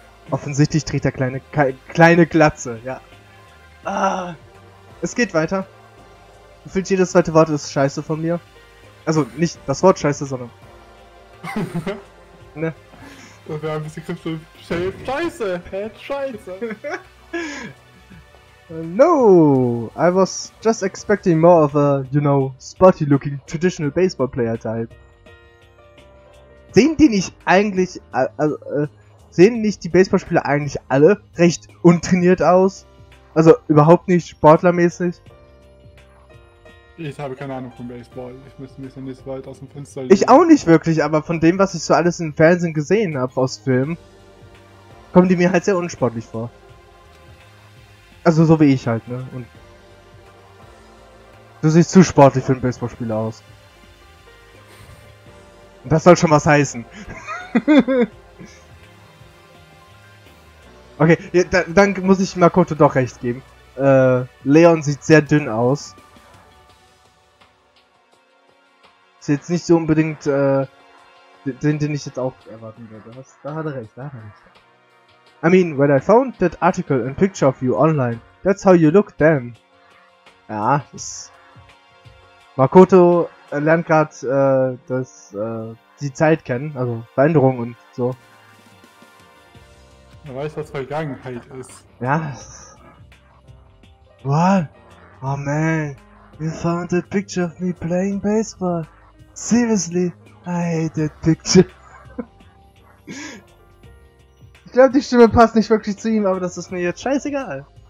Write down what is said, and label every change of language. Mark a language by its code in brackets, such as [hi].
[de] Offensichtlich trägt er kleine Glatze, ja. Ah, es geht weiter. Du fühlst, jedes zweite Wort ist scheiße von mir. Also, nicht das Wort scheiße, sondern... ne? Das wäre ein bisschen kriegst du scheiße, scheiße. [en] no, I was just expecting more of a, you know, sporty looking traditional baseball player type. [de] Sehen die nicht eigentlich, sehen nicht die Baseballspieler eigentlich alle recht untrainiert aus? Also überhaupt nicht sportlermäßig? Ich habe keine Ahnung von Baseball. Ich müsste mich dann nicht so weit aus dem Fenster legen. Ich auch nicht wirklich, aber von dem, was ich so alles im Fernsehen gesehen habe, aus Filmen, kommen die mir halt sehr unsportlich vor. Also so wie ich halt, ne? Und du siehst zu sportlich für einen Baseballspieler aus. Und das soll schon was heißen. Okay, ja, dann muss ich Makoto doch recht geben. Leon sieht sehr dünn aus. Ist jetzt nicht so unbedingt den ich jetzt auch erwarten würde. Da hat er recht. [en] I mean, when I found that article and picture of you online, that's how you look then. [de] Ja, das... Makoto lernt gerade die Zeit kennen, also Veränderung und so. Er weiß, was Vergangenheit ist. Ja. [en] What? Oh man, you found that picture of me playing baseball. Seriously, I hate that picture. [de] Ich glaube, die Stimme passt nicht wirklich zu ihm, aber das ist mir jetzt scheißegal.